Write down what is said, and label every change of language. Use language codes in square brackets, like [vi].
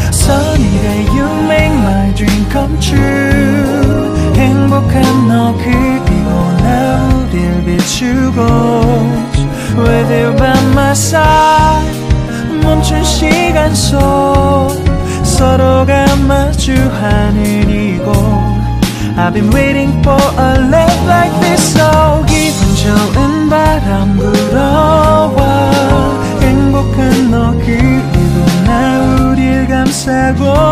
[en] Sunny day you make my dream come true. [ko] 행복한 너 그리고 나 우릴 비추고. [en] With you by my side. [ko] 멈춘 시간 속 서로가 마주하는 이곳. [en] I've been waiting for a love like this. [ko] So 기분 좋은 바람 불어와. 행복한 너 그리고 나 우릴 감싸고.